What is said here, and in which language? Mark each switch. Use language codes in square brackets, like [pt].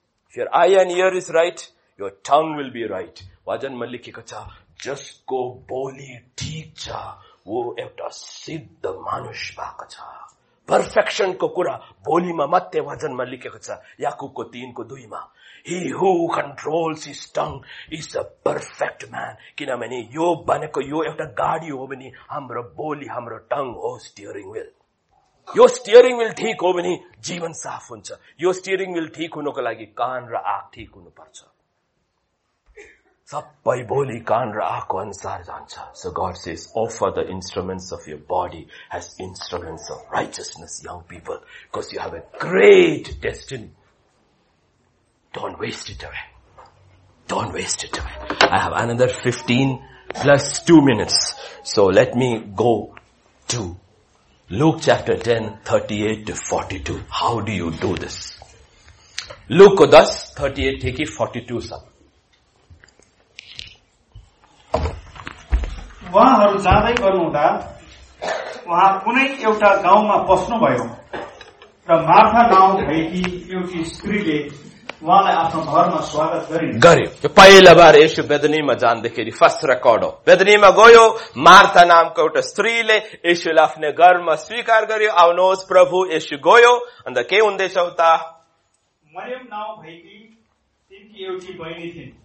[en] If your eye and ear is right, your tongue will be right. [ne] वचनमा लेखेको छ, जसको बोली ठिक छ ऊ एउटा सिद्ध मानुष भएको छ. पर्फेक्सनको कुरा बोलीमा मात्रै वचनमा लेखेको छ, याकुबको 3:2. [en] He who controls his tongue is a perfect man. [ne] किनभने यो भनेको यो एउटा गाडी हो भने हाम्रो बोली, हाम्रो टङ हो स्टियरिङ व्हील. यो स्टियरिङ व्हील ठिक हो भने जीवन साफ हुन्छ. यो स्टियरिङ व्हील ठिक हुनको लागि कान र आँख ठिक हुनु पर्छ. सबै बोली कान र आँखको अनुसार जान्छ. [en] So God says, offer the instruments of your body as instruments of righteousness, young people, because you have a great destiny. Don't waste it away. Don't waste it away. I have another 15 + 2 minutes. So let me go to Luke chapter 10, 38 to 42. How do you do this? Luke 10, 38 to 42. Sir. [ne] उहाँहरू जाँदै गर्नुहुँदा उहाँ कुनै एउटा गाउँमा पस्नुभयो र Martha नाउँ भएकी एउटी स्त्रीले उहाँलाई आफ्नो घरमा स्वागत गरे. पहिला बार यसो बेदनीमा जाँदाखेरि, फर्स्ट रेकर्ड हो, बेदनीमा गयो, मार्था नामको एउटा स्त्रीले यसोलाई आफ्नो घरमा स्वीकार गर्यो, आउनुहोस् प्रभु. यसो गयो, अन्त के हुँदैछ उता? मरियम नाउँ भएकी एउटी बहिनी थिइन्,